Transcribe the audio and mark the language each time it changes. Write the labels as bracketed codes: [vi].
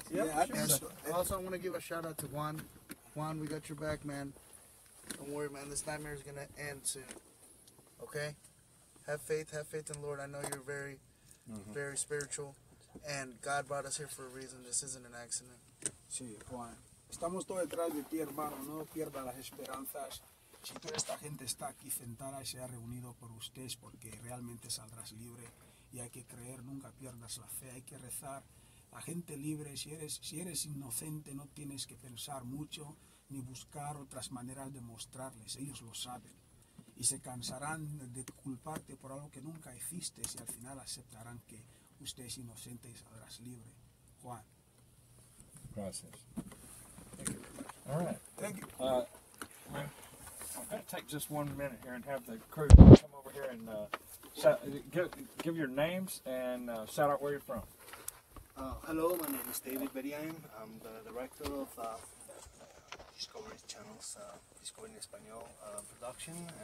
[en] Yeah, sure. Also, I want to give a shout out to Juan. Juan, we got your back, man. Don't worry, man. This nightmare is going to end soon. Okay? Have faith in the Lord. I know you're very... Mm-hmm. Very spiritual, and God brought us here for a reason. This isn't an accident. [es] Sí, Juan. Estamos todos detrás de ti, hermano. No pierdas las esperanzas. si toda esta gente está aquí sentada y se ha reunido por ustedes, porque realmente saldrás libre. Y hay que creer, nunca pierdas la fe, hay que rezar. La gente libre, si eres inocente, no tienes que pensar mucho ni buscar otras maneras de mostrarles. Ellos lo saben. Y se cansarán de culparte por algo que nunca hiciste y al final aceptarán que usted es inocente y saldrás libre. Juan. Gracias. [en] Thank you. All right. Thank you. I'm going to take just 1 minute here and have the crew come over here and give your names and shout out where you're from. Hello, my name is David Berian. I'm the director of Discovery Channel's Discovery in Espanol production.